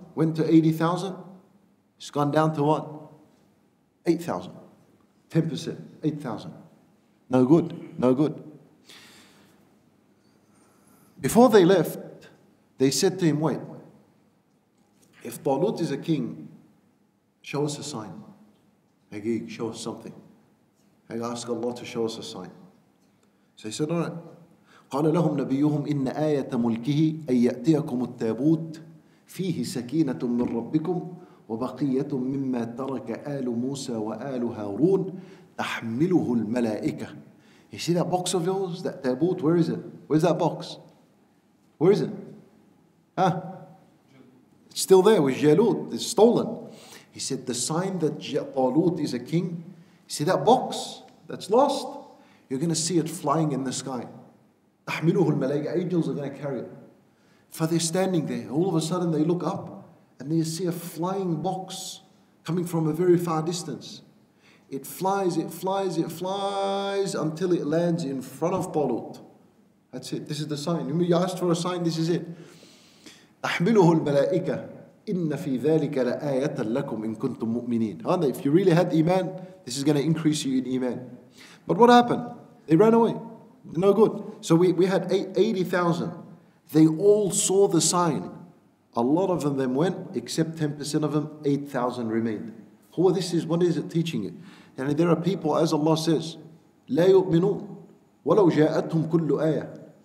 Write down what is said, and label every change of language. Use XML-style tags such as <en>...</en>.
<en>Went to 80,000? It's gone down to what? 8,000. 10%. 8,000. No good. No good. Before they left, they said to him, wait, if Talut is a king, show us a sign. Hagig, show us something. Hag, ask Allah to show us a sign. So he said, all right.</en> <ar>قال لهم نبيهم إن آية ملكه أن يأتيكم التابوت فيه سكينة من ربكم وبقية مما ترك آل موسى وآل هارون تحمله الملائكة.</ar> <en>You see that box of yours, that tabut, where is it? Where's that box? Where is it? Huh? It's still there with Jaalut. It's stolen. He said, the sign that Talut is a king, you see that box that's lost? You're going to see it flying in the sky.</en> <ar>تحمله الملائكة.</ar> <en>Angels are going to carry it. For they're standing there, all of a sudden they look up and they see a flying box coming from a very far distance. It flies, it flies, it flies until it lands in front of Talut. That's it. This is the sign. You asked for a sign, this is it.</en> <ar>تحمله الملائكة. إن في ذلك لآية لكم إن كنتم مؤمنين.</ar> <en>If you really had iman, this is going to increase you in iman. But what happened? They ran away. No good. So we had 80,000. They all saw the sign. A lot of them went, except 10% of them, 8,000 remained. Oh, this is, what is it teaching you? And there are people, as Allah says,</en> <ar>لا يؤمنون ولو جاءتهم كل آية.</ar>